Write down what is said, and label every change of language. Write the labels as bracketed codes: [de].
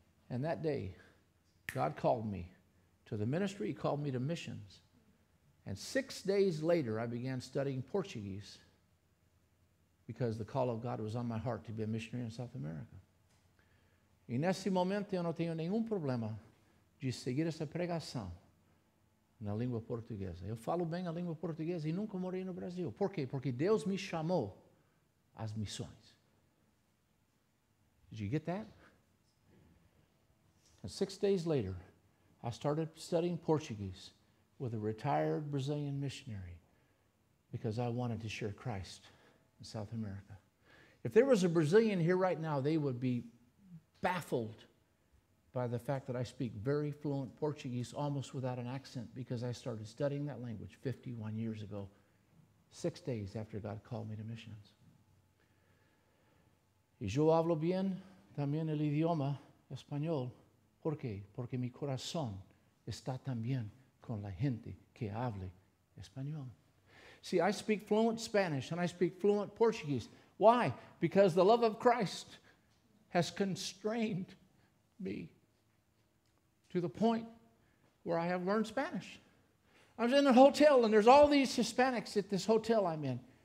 [en] And that day, God called me to the ministry. He called me to missions. And 6 days later, I began studying Portuguese because the call of God was on my heart to be a missionary in South America. [pt] E nesse momento, eu não tenho nenhum problema de seguir essa pregação na língua portuguesa. Eu falo bem a língua portuguesa e nunca morei no Brasil. Por quê? Porque Deus me chamou às missões. [en] Did you get that? And 6 days later, I started studying Portuguese with a retired Brazilian missionary because I wanted to share Christ in South America. If there was a Brazilian here right now, they would be baffled by the fact that I speak very fluent Portuguese almost without an accent because I started studying that language 51 years ago, 6 days after God called me to missions. [pt] E eu [es] hablo bien también el idioma español. ¿Por qué? Porque mi corazón está también con la gente que hable español. [en] See, I speak fluent Spanish and I speak fluent Portuguese. Why? Because the love of Christ has constrained me to the point where I have learned Spanish. I was in a hotel and there's all these Hispanics at this hotel I'm in.